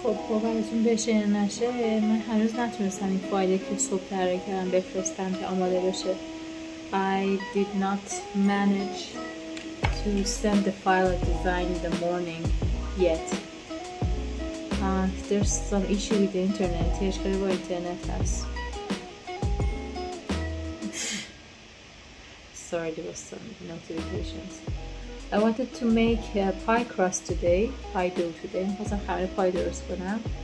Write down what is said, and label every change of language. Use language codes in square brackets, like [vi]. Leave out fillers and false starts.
[fa] براتون بشه یا نشه من هنوز نتونستم این فایلی که صبح تره کردم بفرستم که آماده بشه. [en] I did not manage to send the file of design in the morning yet. There's some issue with the internet. [fa] یه اشکالی با اینترنت هست. [en] Sorry, there was some notifications. I wanted to make a pie crust today. Pie dough today. [fa] خواستم خمیر پای درست کنم.